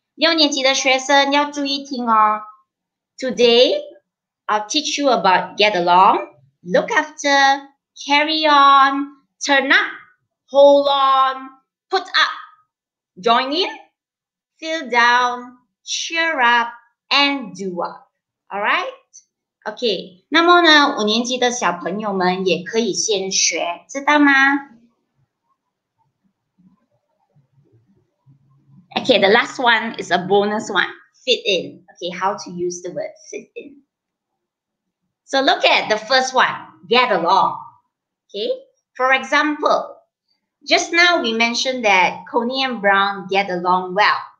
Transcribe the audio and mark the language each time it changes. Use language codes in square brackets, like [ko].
[zh] 六年级的学生要注意听哦。 [en] Today, I'll teach you about get along, look after, carry on, turn up, hold on, put up, join in, feel down,Cheer up and do up. All right? Okay. [zh] 那么呢，五年级的小朋友们也可以先学，知道吗？ [en] Okay, the last one is a bonus one. Fit in. Okay, how to use the word fit in. So look at the first one, get along. Okay? For example, just now we mentioned that Coney and Brown get along well.